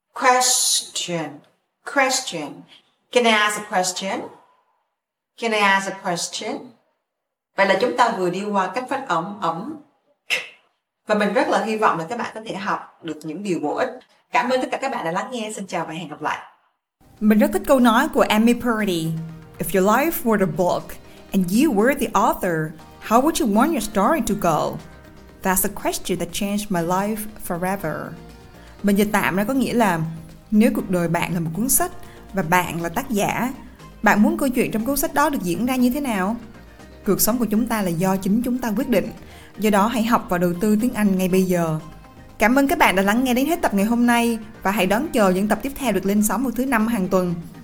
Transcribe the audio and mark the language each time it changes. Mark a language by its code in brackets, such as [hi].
[en] Question, question. Can I ask a question? Can I ask a question? [vi] Vậy là chúng ta vừa đi qua cách phát ấm, ấm. Và mình rất là hy vọng là các bạn có thể học được những điều bổ ích. Cảm ơn tất cả các bạn đã lắng nghe. Xin chào và hẹn gặp lại. Mình rất thích câu nói của Amy Purdy. [en] If your life were a book and you were the author, how would you want your story to go? That's a question that changed my life forever. [vi] Mình dịch tạm ra có nghĩa là nếu cuộc đời bạn là một cuốn sách và bạn là tác giả, bạn muốn câu chuyện trong cuốn sách đó được diễn ra như thế nào? Cuộc sống của chúng ta là do chính chúng ta quyết định. Do đó hãy học và đầu tư tiếng Anh ngay bây giờ. Cảm ơn các bạn đã lắng nghe đến hết tập ngày hôm nay và hãy đón chờ những tập tiếp theo được lên sóng vào thứ năm hàng tuần.